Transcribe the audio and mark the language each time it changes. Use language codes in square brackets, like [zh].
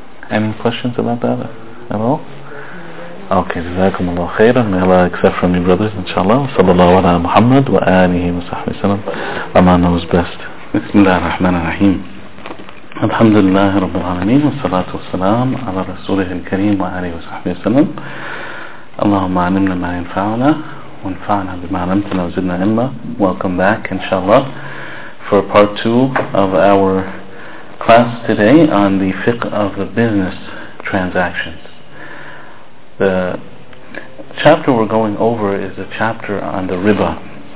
[en] Any questions about that at all? Okay, [ar] jazakum Allah khairan. [en] May Allah accept from you, brothers, inshallah. [ar] Sallallahu ala Muhammad wa alihi wa sahbihi sallam. [en] Allah knows best. [ar] بسم الله الرحمن الرحيم الحمد لله رب العالمين والصلاة والسلام على رسوله الكريم وآله وصحبه وسلم اللهم علمنا ما ينفعنا وانفعنا بما علمتنا وزدنا علما. [en] Welcome back, inshallah, for part 2 of our class today on the fiqh of the business transactions. The chapter we're going over is a chapter on the riba.